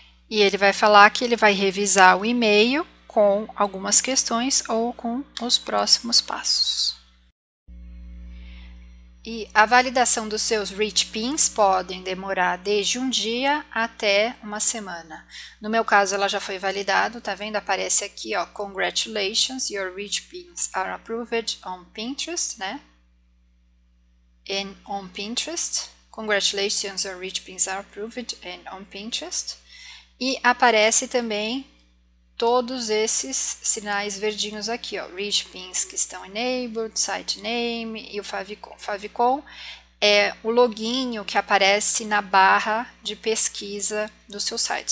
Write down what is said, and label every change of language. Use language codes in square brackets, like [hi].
[pt] E ele vai falar que ele vai revisar o e-mail com algumas questões ou com os próximos passos. E a validação dos seus Rich Pins podem demorar desde um dia até uma semana. No meu caso, ela já foi validada, tá vendo? Aparece aqui, ó, [en] Congratulations, your Rich Pins are approved on Pinterest, [pt] né? [en] And on Pinterest. Congratulations, your Rich Pins are approved and on Pinterest. [pt] E aparece também todos esses sinais verdinhos aqui, ó, Rich Pins que estão enabled, site name e o favicon. Favicon é o login que aparece na barra de pesquisa do seu site.